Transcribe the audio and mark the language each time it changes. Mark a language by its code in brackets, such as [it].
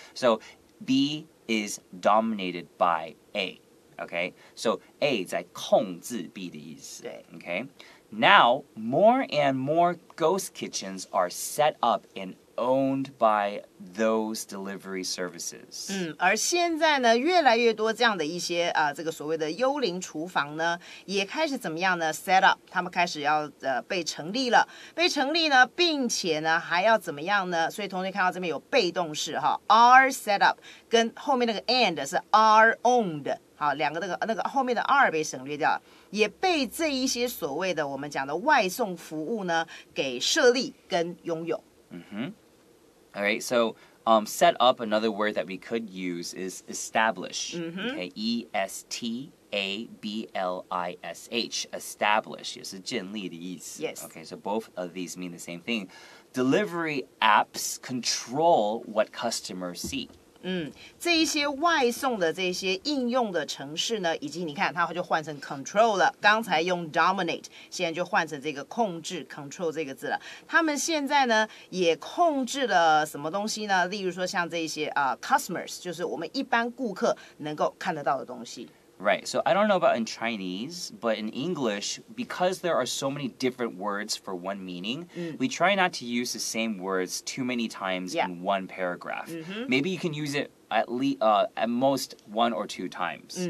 [en] So B is dominated by A. Okay, so [zh] A 在控制 B 的意思。对 [en] okay. Now, more and more ghost kitchens are set up and owned by those delivery services. [zh] 嗯，而现在呢，越来越多这样的一些啊、这个所谓的幽灵厨房呢，也开始怎么样呢 ？Set up， 他们开始要被成立了，被成立呢，并且呢还要怎么样呢？所以同学看到这边有被动式哈 ，are set up， 跟后面那个 and 是 are owned。好，两个那个后面的 R 被省略掉了，也被这一些所谓的我们讲的外送服务呢给设立跟拥有。 [en] Mm-hmm. All right, so set up, another word that we could use is establish. Mm-hmm. Okay, E-S-T-A-B-L-I-S-H, establish [zh] 也是建立的意思。 [en] Yes. Okay, so both of these mean the same thing. Delivery apps control what customers see. [zh] 嗯，这一些外送的这些应用的程式呢，以及你看它就换成 control 了，刚才用 dominate， 现在就换成这个控制 control 这个字了。他们现在呢也控制了什么东西呢？例如说像这些customers， 就是我们一般顾客能够看得到的东西。 [en] Right, so I don't know about in Chinese, but in English, because there are so many different words for one meaning,、 mm. we try not to use the same words too many times、 yeah. in one paragraph.、 Mm-hmm. Maybe you can use it at most one or two times.、